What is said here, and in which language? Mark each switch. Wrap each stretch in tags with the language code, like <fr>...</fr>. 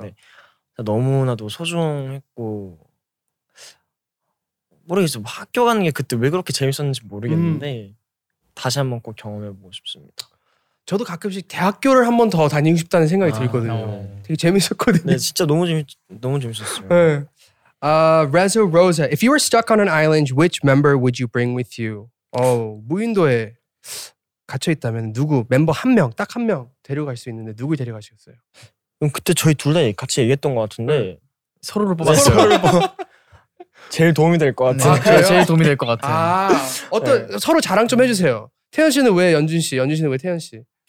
<ko>근데 너무나도 소중했고 모르겠어. 학교 가는 게 그때 왜 그렇게 재밌었는지 모르겠는데 다시 한번 꼭 경험해 보고 싶습니다. 저도 가끔씩 대학교를 한 번 더 다니고 싶다는 생각이 들거든요. 아, 되게 재밌었거든요. 네, 진짜 너무 재밌었어요. 네.</ko> <en>Rezo Rosa, if you were stuck on an island, which member would you bring with you?</en> <ko>무인도에 갇혀 있다면 누구 멤버 한 명, 딱 한 명 데려갈 수 있는데 누구 데려가시겠어요? 그럼 그때 저희 둘 다 같이 얘기했던 것 같은데 서로를 뽑았어요. 제일 도움이 될 것 같아요. 아, 그래요? 제일 도움이 될 것 같아요. 아, 어떤 네. 서로 자랑 좀 해주세요. 태현 씨는 왜 연준 씨? 연준 씨는 왜 태현 씨?</ko>